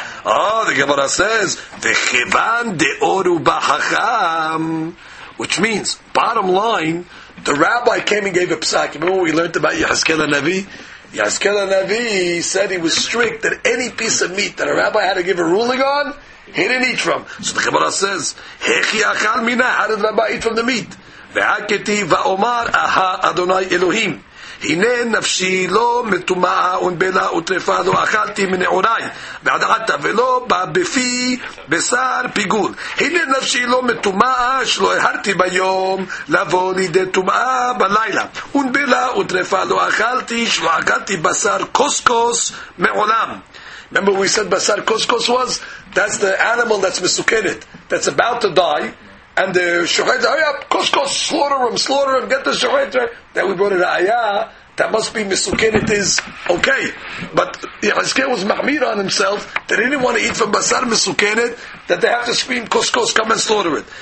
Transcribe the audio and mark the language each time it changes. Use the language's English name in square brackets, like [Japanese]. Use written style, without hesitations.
[English] Oh, the Gemara says, [Aramaic] V'chivan de'oru b'hacham, [English] which means, bottom line, the rabbi came and gave a psak. Remember what we learned about Yehezkel HaNavi? Yehezkel HaNavi said he was strict that any piece of meat that a rabbi had to give a ruling on, he didn't eat from. So the Gemara says, [Aramaic] Hechi achal mina, [English] how did Rabbi eat from the meat? [Hebrew] V'haketi va'omar aha Adonai Elohim. הנה נפשי לא מטומאה ונבלה וטרפה לא אכלתי מנעוריי ועד עתה ולא בא בפי בשר פיגול הנה נפשי לא מטומאה שלא הרתי ביום לבוא לידי טומאה בלילה ונבלה וטרפה לא אכלתי שלא אכלתי בשר קוסקוס מעולם. [English] Remember we said basar koskos was? That's the animal that's mesukenet, that's about to die. And the shohet, oh yeah, koskos, slaughter him, get the shohet. Then we brought an ayah, that must be misuken, it is okay. But Yehezkel was mahmir on himself, that he didn't want to eat from basar misuken, that they have to scream, koskos, come and slaughter it.